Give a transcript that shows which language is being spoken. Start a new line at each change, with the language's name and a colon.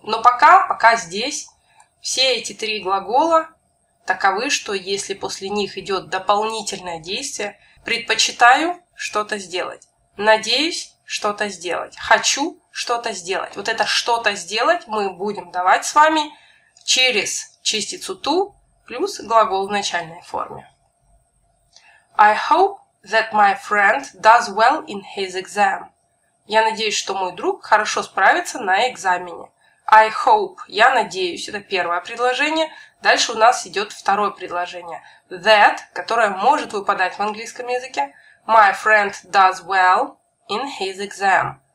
Russian: Но пока здесь все эти три глагола таковы, что если после них идет дополнительное действие, предпочитаю что-то сделать, надеюсь что-то сделать, хочу что-то сделать. Вот это что-то сделать мы будем давать с вами через частицу to плюс глагол в начальной форме.
English: I hope that my friend does well in his exam.
Russian: Я надеюсь, что мой друг хорошо справится на экзамене.
English: I hope,
Russian: я надеюсь, это первое предложение. Дальше у нас идет второе предложение. That, которое может выпадать в английском языке.
English: My friend does well in his exam.